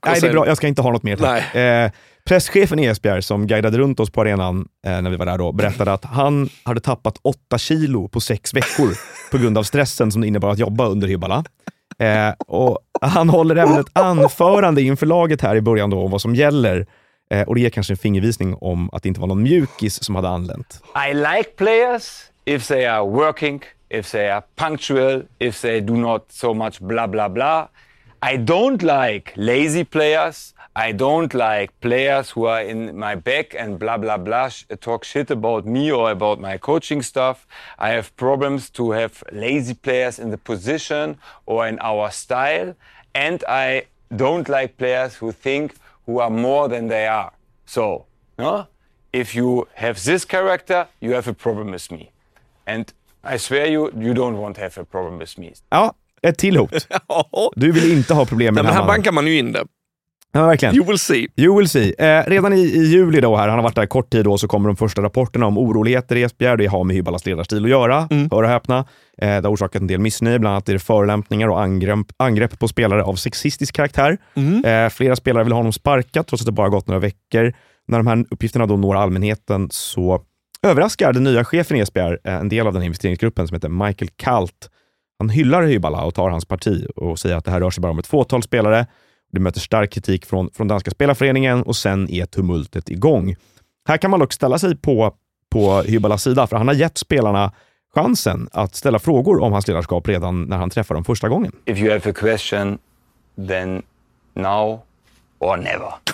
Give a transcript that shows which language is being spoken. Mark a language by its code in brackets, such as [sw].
[sv] Nej, sen... det är bra, jag ska inte ha något mer. Presschefen i ESPN som guidade runt oss på arenan när vi var där då, berättade att han hade tappat 8 kilo på 6 veckor på grund av stressen som det innebar att jobba under Hyballa. Och han håller även ett anförande inför laget här i början då om vad som gäller. Och det ger kanske en fingervisning om att det inte var någon mjukis som hade anlänt. [en] I like players if they are working, if they are punctual, if they do not so much blah blah blah. I don't like lazy players. I don't like players who are in my back and blah blah blah talk shit about me or about my coaching stuff. I have problems to have lazy players in the position or in our style, and I don't like players who think who are more than they are. So, no? If you have this character, you have a problem with me. And I swear you don't want to have a problem with me. [sv] Ja, ett till hot. Du vill inte ha problem med det. Men här bankar man ju in det. Ja, verkligen. [en] You will see. [sv] Redan i juli då här, han har varit där kort tid då, så kommer de första rapporterna om oroligheter i Esbjerg. Det har med Hyballas ledarstil att göra. Mm. Hör och häpna. Det har orsakat en del missnöje, bland annat är det förelämpningar och angrepp på spelare av sexistisk karaktär. Mm. Flera spelare vill ha honom sparkat trots att det bara gått några veckor. När de här uppgifterna då når allmänheten, så överraskar den nya chefen i Esbjerg en del av den investeringsgruppen som heter Michael Kalt. Han hyllar Hyballa och tar hans parti och säger att det här rör sig bara om ett fåtal spelare. Det möter stark kritik från Danska Spelarföreningen, och sen är tumultet igång. Här kan man dock ställa sig på Hyballas sida, för han har gett spelarna chansen att ställa frågor om hans ledarskap redan när han träffar dem första gången. [en] If you have a question, then now or never.